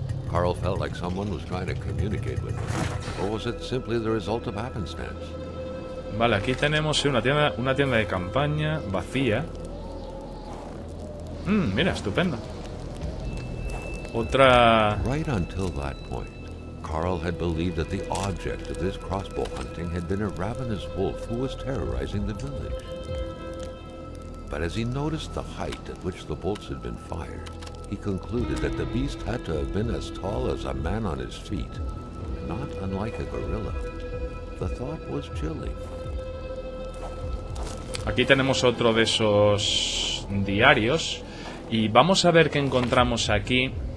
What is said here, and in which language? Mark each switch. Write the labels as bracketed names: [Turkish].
[English] Carl felt like someone was trying to communicate with him. Or was it simply the result of happenstance? [Spanish] Vale, aquí tenemos una tienda de campaña vacía. Mira, estupendo. Otra. [English] Right until that point, Carl had believed that the object of this crossbow hunting had been a ravenous wolf who was terrorizing the village. But as he noticed the height at which the bolts had been fired, he concluded that the beast had to have been as tall as a man on his feet, not unlike a gorilla. The thought was chilling. [Spanish] Aquí tenemos otro de esos diarios y vamos a ver qué encontramos aquí.